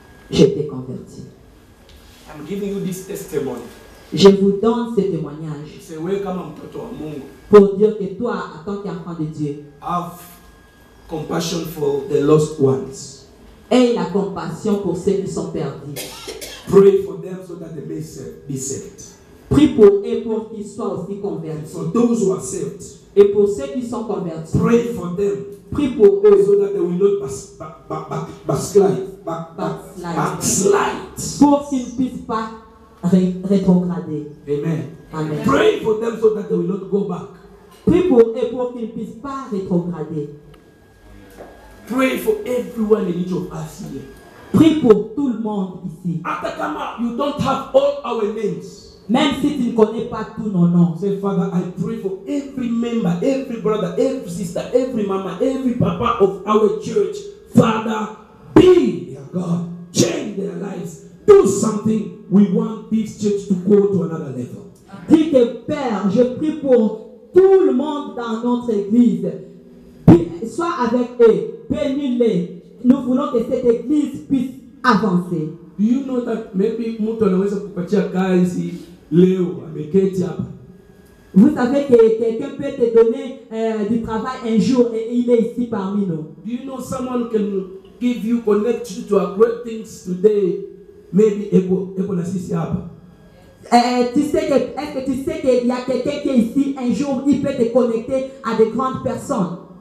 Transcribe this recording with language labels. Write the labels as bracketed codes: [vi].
[fr] J'étais converti. [en] I'm giving you this testimony. [fr] Je vous donne ce témoignage. [sw] C'est welcome mtoto wa Mungu. [fr] Pour dire que toi, en tant qu'enfant de Dieu, [en] have compassion for the lost ones. [fr] Aie la compassion pour ceux qui sont perdus. [en] Pray for them so that they may be saved. [fr] Prie pour et pour qu'ils soient aussi convertis. [en] For those who are saved. [fr] Et pour ceux qui sont convertis. [en] Pray for them. [fr] Prie pour eux. [en] So that they will not backslide. [fr] Pour qu'ils ne puissent pas rétrograder. Amen. Amen. [en] Pray for them so that they will not go back. [fr] Prie pour et pour qu'ils ne puissent pas rétrograder. [en] Pray for everyone in each of us here. [fr] Prie pour tout le monde ici. [en] Atakama, you don't have all our names. [fr] Même si tu ne connais pas tous nos noms. [en] Say, Father, I pray for every member, every brother, every sister, every mama, every papa of our church. Father, be their God. Change their lives. Do something. We want this church to go to another level. [fr] Dis que Père, je prie pour tout le monde dans notre église. Sois avec eux. Bénis-les. Nous voulons que cette église puisse avancer. [en] Do you know that maybe [sw] mtu anaweza kupatia kazi leo ameketi hapa? [fr] Vous savez que quelqu'un peut te donner du travail un jour et il est ici parmi nous. [en] Do you know someone can give you connection to a great things today? [sw] Maybe ego na sisi hapa. [fr] Est-ce que tu sais que il y a quelqu'un qui est ici un jour il peut te connecter à des grandes personnes?